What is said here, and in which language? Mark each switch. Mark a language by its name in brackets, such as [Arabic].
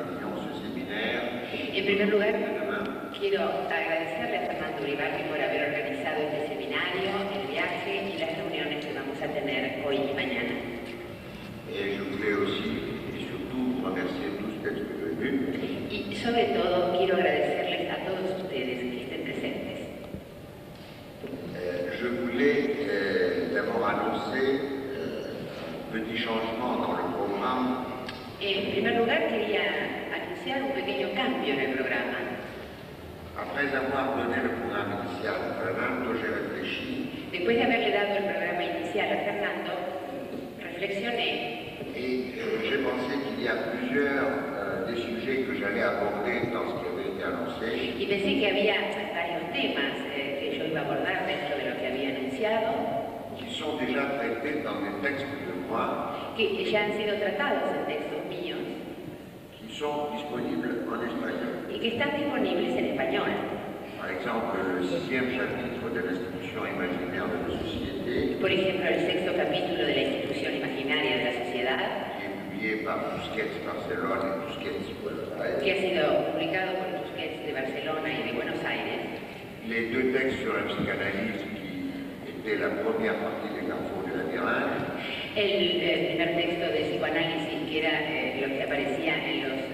[Spanish] En primer lugar, quiero agradecerle a Fernando Uribarri por haber organizado este seminario, el viaje y las reuniones que vamos a tener hoy y mañana. Yo creo, sí, y sobre todo agradecerles a ustedes que estén. Y sobre todo quiero agradecerles a todos ustedes que estén presentes. [French] Je voulais d'abord annoncer un petit changement dans le programme. [Spanish] En primer lugar, quería anunciar un pequeño cambio en el programa. [French] Après avoir donné le programme initial, Fernando, j'ai réfléchi. [Spanish] Después de haberle dado el programa inicial a Fernando, reflexioné. [French] Et j'ai pensé qu'il y a plusieurs des sujets que j'allais aborder dans ce qui avait été annoncé. [Spanish] Y pensé que había varios temas que yo iba a abordar dentro de lo que había anunciado. [French] Qui sont déjà traités dans les textes de moi. [Spanish] Que ya han sido tratados en textos. Y que están disponibles en español. [French] Par exemple, le sixième chapitre de l'institution imaginaire de la société. [Spanish] Por ejemplo, el sexto capítulo de la institución imaginaria de la sociedad. [French] Qui est publié par Busquets Barcelona y Busquets Buenos Aires. [Spanish] Que ha sido publicado por Busquets de Barcelona y de Buenos Aires. [French] Les deux textes sur la psychanalyse qui était la première partie des Carrefours du Labyrinthe. [Spanish] El primer texto de psicoanálisis que era lo que aparecía en los